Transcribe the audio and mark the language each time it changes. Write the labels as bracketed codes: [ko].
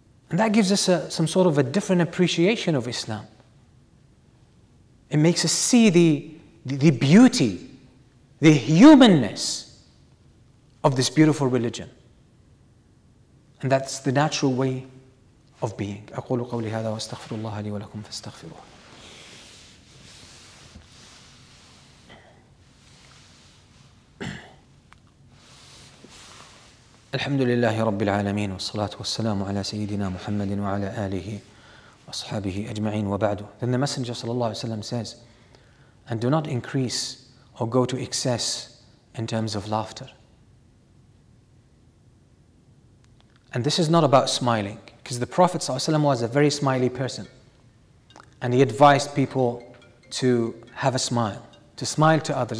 [en] And that gives us some sort of a different appreciation of Islam. It makes us see the beauty, the humanness of this beautiful religion. And that's the natural way of being. [ar] أقول قولي هذا واستغفر الله لي ولكم فاستغفروه. الحمد لله رب العالمين والصلاة والسلام على سيدنا محمد وعلى آله وأصحابه أجمعين وبعد. [en] Then the Messenger [ar] صلى الله عليه وسلم [en] says, and do not increase or go to excess in terms of laughter. And this is not about smiling, because the Prophet ﷺ was a very smiley person. And he advised people to have a smile, to smile to others.